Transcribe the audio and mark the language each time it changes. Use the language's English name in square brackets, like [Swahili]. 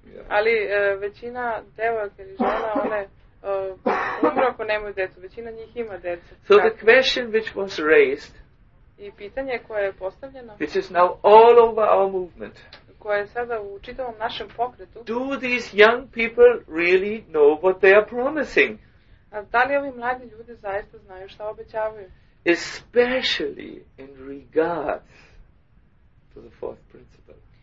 [Serbian] Ali većina devojaka ili žena, one umru ako nemaju decu. Većina njih ima decu. [English] So the question which was raised, [Serbian] i pitanje koje je postavljeno, [English] which is now all over our movement, [Serbian] koje je sada u čitavom našem pokretu, [English] do these young people really know what they are promising? [Serbian] Da li ovi mladi ljudi zaista znaju šta obećavaju? [English] Especially in regards to the fourth principle.